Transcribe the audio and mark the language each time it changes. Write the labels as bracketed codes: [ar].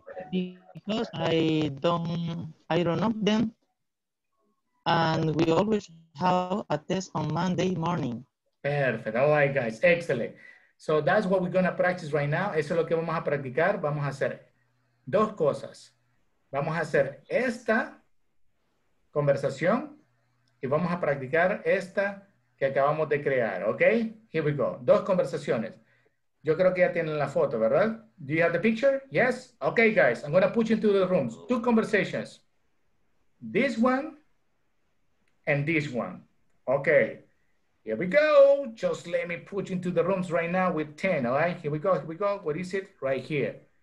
[en] Because I don't know them, and we always have a test on Monday morning. Perfect. All right, guys. Excellent. So that's what we're going to practice right now. [es] Eso es lo que vamos a practicar. Vamos a hacer dos cosas. Vamos a hacer esta conversación y vamos a practicar esta que acabamos de crear. Ok, here we go. Dos conversaciones. Yo creo que ya tienen la foto, ¿verdad? [en] Do you have the picture? Yes. Ok, guys, I'm going to put you into the rooms. Two conversations. This one and this one. Ok. Here we go. Just let me put you into the rooms right now with 10, all right? Here we go, here we go. What is it? Right here.